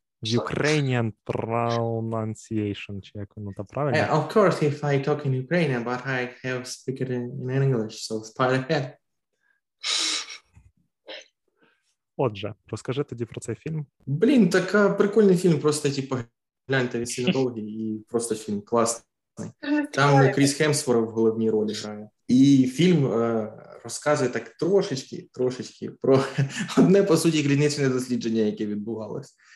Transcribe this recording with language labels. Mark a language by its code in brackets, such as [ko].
[en] Ukrainian pronunciation, [uk] чи як воно там правильно? [en] Of course, if I talk in Ukrainian, but I have speak it in English, so Spider-Head. [uk] Отже, розкажи тоді про цей фільм. Блін, так прикольний фільм, просто, типу, гляньте, він сильно довгий, і просто фільм класний. Там Кріс Хемсворт в головній ролі грає. І фільм розказує так трошечки про одне, по суті, клінічне дослідження, яке відбувалось.